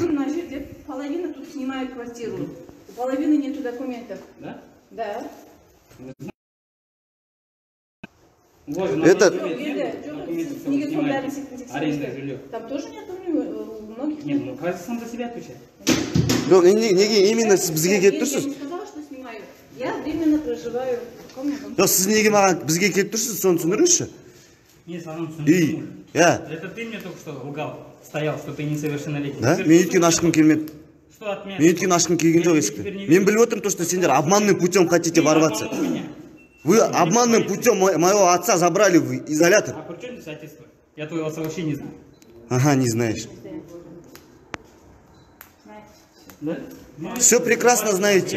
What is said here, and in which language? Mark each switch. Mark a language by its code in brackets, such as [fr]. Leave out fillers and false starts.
[kk] Мына жерде [ru] половина тут снимает квартиру. У половины нету документов. Да? Да. Это... Там тоже нет у многих? Нет, ну каждый сам за себя отвечает. [kk] Но неге именно бізге келіп тұрсыз? [ru] Я не сказала, что снимаю. Я временно проживаю в комнате. [kk] Но сіз неге маған бізге келіп тұрсыз, соны түсіндіріңізші? Не, саған түсіндірдім. [ru] Это ты мне только что лгал, стоял, что ты несовершеннолетний. Да? [kk] Мен өйткені ашқым келмеді. [ru] Что от меня? [kk] Мен өйткені ашқым келген жоқ есікті. Мен біліп отырмын [ru] то, что [kk] сендер [ru] обманным путем хотите ворваться. Вы обманным путем моего отца забрали в изолятор. А при чем здесь отец-то? Я твоего отца вообще не знаю. Ага, не знаешь. Да? Все прекрасно знаете.